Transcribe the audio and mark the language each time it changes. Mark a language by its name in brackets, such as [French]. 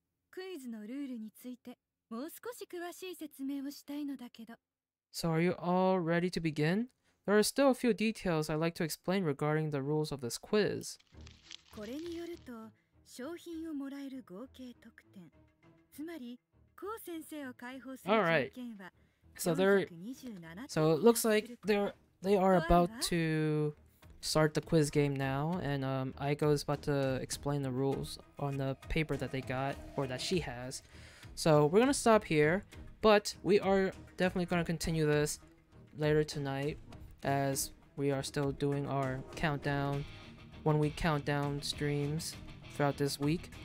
[Japanese] クイズのルールについてもう少し詳しい説明をしたいのだけど。 [English] So are you all ready to begin? There are still a few details I'd like to explain regarding the rules of this quiz. [Japanese] これによると、商品をもらえる合計得点、つまり、コウ先生を解放する条件は、 [English] So it looks like they are about to start the quiz game now, and Aiko is about to explain the rules on the paper that they got, or that she has. So we're gonna stop here, but we are definitely gonna continue this later tonight, as we are still doing our countdown, 1 week countdown streams throughout this week.